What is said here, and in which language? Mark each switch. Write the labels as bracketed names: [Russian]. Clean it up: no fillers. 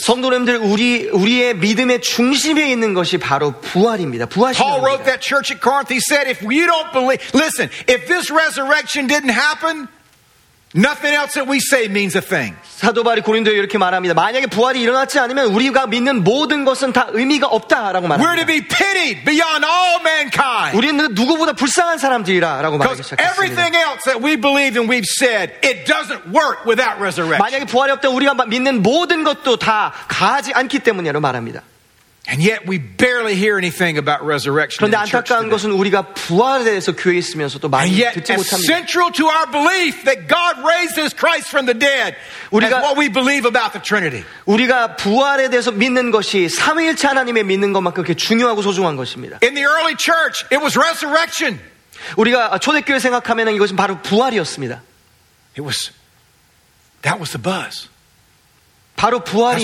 [Korean] 성도님들 우리의 믿음의 중심에 있는 것이 바로 부활입니다. 부활입니다. [English] Paul wrote that church at Corinth. He said, "If we don't believe, listen. If this resurrection didn't happen." Nothing else that we say means a thing. [Korean] 사도 바울이 고린도에 이렇게 말합니다. 만약에 부활이 일어났지 않으면 우리가 믿는 모든 것은 다 의미가 없다라고 말합니다. [English] We're to be pitied beyond all mankind. [Korean] 우리는 누구보다 불쌍한 사람들이라라고 말하기 시작했습니다. [English] Everything else that we believe and we've said, it doesn't work without resurrection. [Korean] 만약에 부활이 없다면 우리가 믿는 모든 것도 다 가하지 않기 때문이라고 말합니다. [English] And yet we barely hear anything about resurrection. [Korean] 그런데 안타까운 것은 우리가 부활에 대해서 교회에 있으면서도 많이 듣지 못합니다. [English] And yet, as central to our belief that God raises Christ from the dead, as what we believe about the Trinity. [Korean] 우리가 부활에 대해서 믿는 것이 삼위일체 하나님의 믿는 것만큼 그렇게 중요하고 소중한 것입니다. [English] In the early church, it was resurrection. [Korean] 우리가 초대교회 생각하면은 이것은 바로 부활이었습니다. [English] It was. That was the buzz. [Korean] 바로 부활이